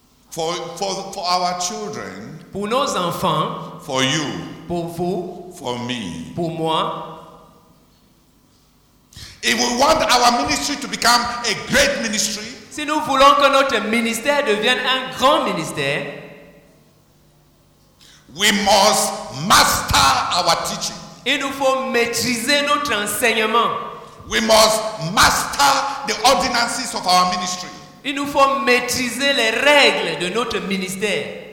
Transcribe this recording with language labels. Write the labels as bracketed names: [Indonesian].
[English] For our children. [French] Pour nos enfants. [English] For you. [French] Pour vous. [English] For me. [French] Pour moi. [English] If we want our ministry to become a great ministry. [French] Si nous voulons que notre ministère devienne un grand ministère. [English] We must master our teaching. [French] Il nous faut maîtriser notre enseignement. [English] We must master the ordinances of our ministry. [French] Il nous faut maîtriser les règles de notre ministère.